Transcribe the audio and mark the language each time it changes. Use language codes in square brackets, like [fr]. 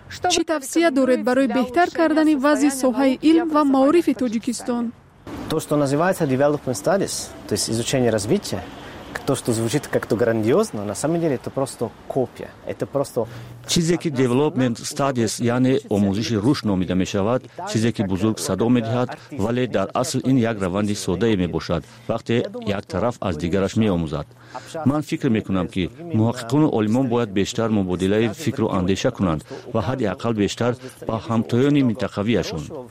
[fa] چی توصیه دارید برای بهتر کردن وضع صحه علم و معرفت تاجیکستان [ru] То, что называется development studies, то есть изучение развития, то, что звучит как-то грандиозно, на самом деле это просто копия. Это просто [fa] چیزی که development studies یعنی آموزش رشد نامیده می شود چیزی که بزرگ صدا می دهد ولی در اصل این یک روند ساده می باشد وقتی یک طرف از دیگرش می آموزد من فکر می کنم که محققان و عالمان باید بیشتر مبادله فکر و اندیشه کنند و حداقل بیشتر با همتایان منطقوی اشون